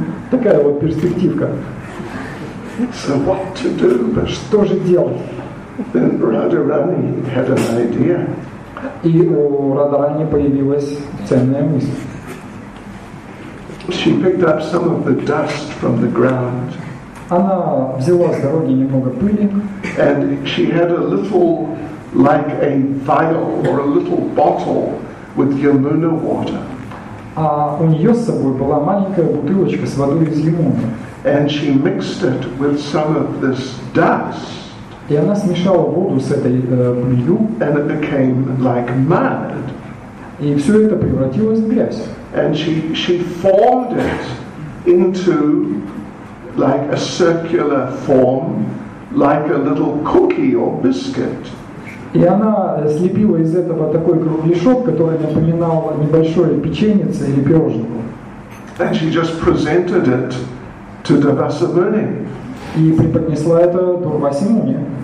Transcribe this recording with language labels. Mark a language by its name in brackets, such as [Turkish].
[Russian] Такая вот перспективка. [English] So what to do? [Russian] Что же делать? [English] Then Radharani had an idea. [Russian] И у Радхарани появилась ценная мысль. [English] She picked up some of the dust from the ground. [Russian] Она взяла с дороги немного пыли. [English] And she had a little, like a vial or a little bottle with Yamuna water. [Russian] А у нее с собой была маленькая бутылочка с водой из Ямуны. [English] And she mixed it with some of this dust. [Russian] И она смешала воду с этой пылью. [English] And it became like mud. [Russian] И все это превратилось в грязь. [English] And she formed it into like a circular form, like a little cookie or biscuit. [Russian] И она слепила из этого такой кругляшок, который напоминал небольшое печенье или пирожное. [English] And she just presented it to Durvasa Muni. [Russian] И преподнесла это Дурвасе Муни.